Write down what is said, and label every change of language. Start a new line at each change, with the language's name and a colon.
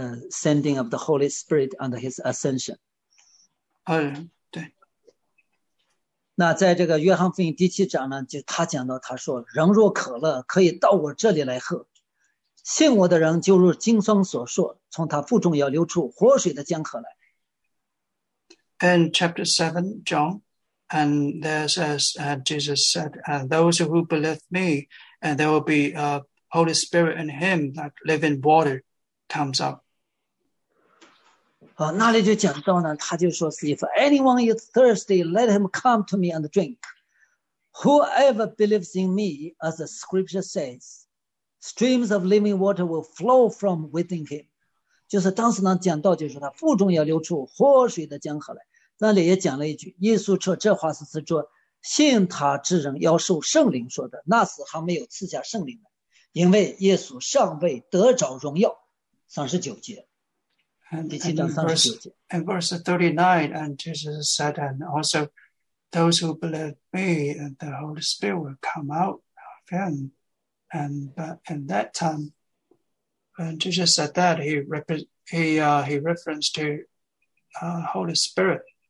English: sending of the Holy Spirit and his ascension.
Chinese: 那在这个约翰福音第七章呢，就他讲到，他说人若渴了可以到我这里来喝，信我的人就如经上所说，从他腹中要流出活水的江河来。
English: In chapter 7 John, and there says, Jesus said, those who believe me, and there will be a Holy Spirit in him, like living water comes up.
Chinese: 那里就讲到呢，他就说是
English: if anyone is thirsty, let him come to me and drink. Whoever believes in me, as the scripture says, streams of living water will flow from within him.
Chinese: 就是当时呢讲到，就是他腹中要流出活水的江河来。那里也讲了一句，耶稣说这话是指着信他之人要受圣灵说的，那时还没有赐下圣灵的，因为耶稣尚未得着荣耀。 39节。
English: And verse 39, and Jesus said, and also those who believe me, and the Holy Spirit will come out of him. And but in that time, when Jesus said that, he referenced to Holy Spirit.